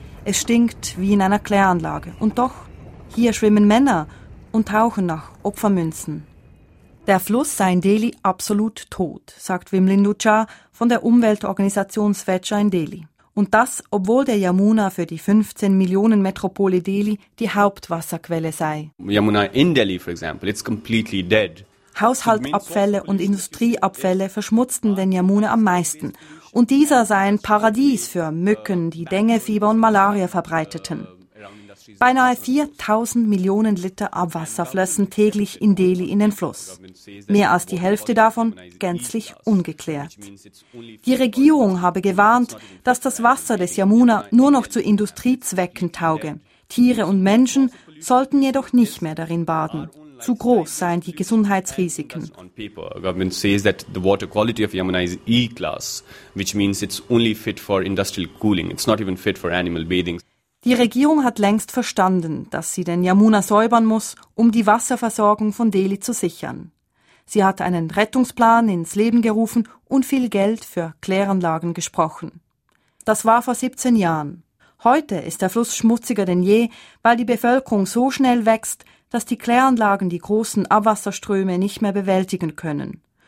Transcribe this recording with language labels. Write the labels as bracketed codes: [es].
[de] Es stinkt wie in einer Kläranlage. Und doch, hier schwimmen Männer und tauchen nach Opfermünzen. Der Fluss sei in Delhi absolut tot, sagt Vimalendu Jha von der Umweltorganisation Swachha in Delhi. Und das, obwohl der Yamuna für die 15-Millionen-Metropole Delhi die Hauptwasserquelle sei. [en] Yamuna in Delhi, for example, it's completely dead. [de] Haushaltsabfälle und Industrieabfälle verschmutzten den Yamuna am meisten. Und dieser sei ein Paradies für Mücken, die Denguefieber und Malaria verbreiteten. Beinahe 4.000 Millionen Liter Abwasser flössen täglich in Delhi in den Fluss. Mehr als die Hälfte davon gänzlich ungeklärt. Die Regierung habe gewarnt, dass das Wasser des Yamuna nur noch zu Industriezwecken tauge. Tiere und Menschen sollten jedoch nicht mehr darin baden. Zu groß seien die Gesundheitsrisiken. [en] Government says that the water quality of Yamuna is E-class, which means it's only fit for industrial cooling. It's not even fit for animal bathing. [de] Die Regierung hat längst verstanden, dass sie den Yamuna säubern muss, um die Wasserversorgung von Delhi zu sichern. Sie hat einen Rettungsplan ins Leben gerufen und viel Geld für Kläranlagen gesprochen. Das war vor 17 Jahren. Heute ist der Fluss schmutziger denn je, weil die Bevölkerung so schnell wächst, dass die Kläranlagen die großen Abwasserströme nicht mehr bewältigen können.